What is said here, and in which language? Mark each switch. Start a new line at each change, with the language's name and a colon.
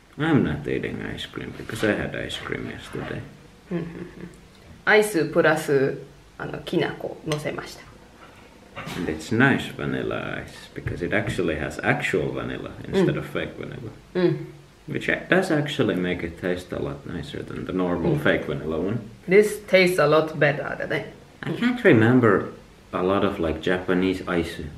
English: I'm not eating ice cream because I had ice cream yesterday.
Japanese: アイスプラスあのきな粉を乗せました。
English: And it's nice vanilla ice because it actually has actual vanilla instead of fake vanilla. Which does actually make it taste a lot nicer than the normal fake vanilla one. This tastes a lot better than it. I can't remember a lot of like Japanese ice.